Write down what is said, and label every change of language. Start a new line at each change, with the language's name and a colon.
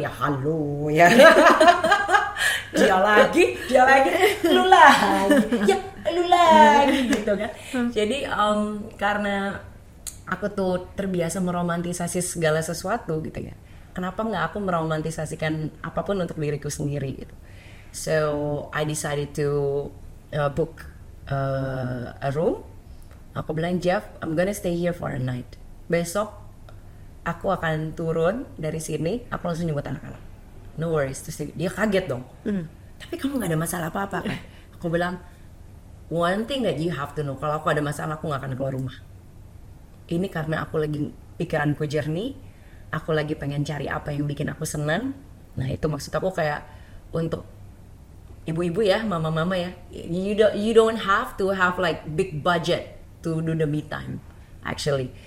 Indonesian: Ya halo ya. Dia lagi. Lu lagi. Ya lu lagi. Gitu kan. Jadi karena aku tuh terbiasa meromantisasi segala sesuatu gitu ya. Kenapa nggak aku meromantisasikan apapun untuk diriku sendiri gitu?
English: So I decided to book a room.
Indonesian: Aku bilang,
English: Jeff, I'm gonna stay here for a night.
Indonesian: Besok aku akan turun dari sini. Aku langsung nyebut anak-anak.
English: No worries.
Indonesian: Terus dia kaget dong. Tapi kamu nggak ada masalah apa-apa kan? Aku bilang,
English: one thing that you have to know.
Indonesian: Kalau aku ada masalah, aku nggak akan keluar rumah. Ini karena aku lagi pikiranku jernih. Aku lagi pengen cari apa yang bikin aku senang. Nah itu maksud aku, kayak untuk ibu-ibu ya, mama-mama ya,
English: you don't have to have like big budget to do the me time actually.